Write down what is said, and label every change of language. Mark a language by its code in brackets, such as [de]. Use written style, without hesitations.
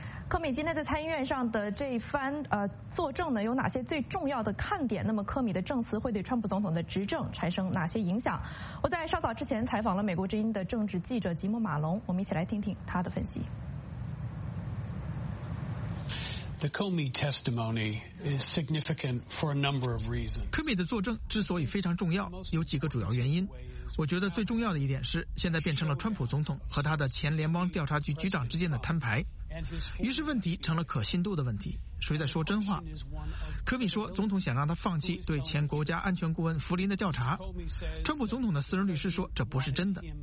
[zh] 科米今天在参议院上的这一番作证呢，有哪些最重要的看点？那么科米的证词会对川普总统的执政产生哪些影响？我在稍早之前采访了美国之音的政治记者吉姆马龙，我们一起来听听他的分析。 [en] The Comey testimony is significant for a number of reasons. [zh] 科米的作证之所以非常重要，有几个主要原因。我觉得最重要的一点是，现在变成了川普总统和他的前联邦调查局局长之间的摊牌，于是问题成了可信度的问题，谁在说真话。科米说总统想让他放弃对前国家安全顾问弗林的调查，川普总统的私人律师说这不是真的。